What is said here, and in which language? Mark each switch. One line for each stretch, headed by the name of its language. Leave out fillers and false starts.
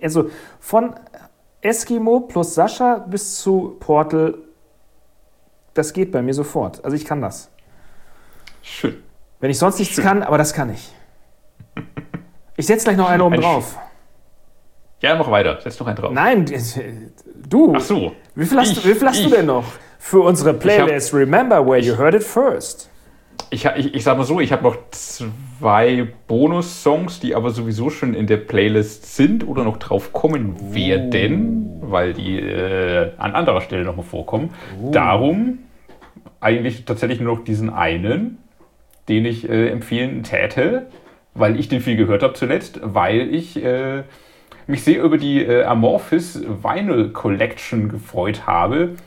German: Also von Eskimo plus Sascha bis zu Portal, das geht bei mir sofort. Also ich kann das. Schön. Wenn ich sonst nichts Schön. Kann, aber das kann ich. Ich setze gleich noch einen oben drauf. Ja, mach weiter. Setz noch einen drauf. Nein, du. Ach so. Wie viel hast du denn noch für unsere Playlist?
English: Remember where you heard it first.
German: Ich sag mal so, ich habe noch zwei Bonus-Songs, die aber sowieso schon in der Playlist sind oder noch drauf kommen werden, weil die an anderer Stelle nochmal vorkommen. Darum eigentlich tatsächlich nur noch diesen einen, den ich empfehlen täte, weil ich den viel gehört habe zuletzt, weil ich mich sehr über die Amorphis Vinyl Collection gefreut habe.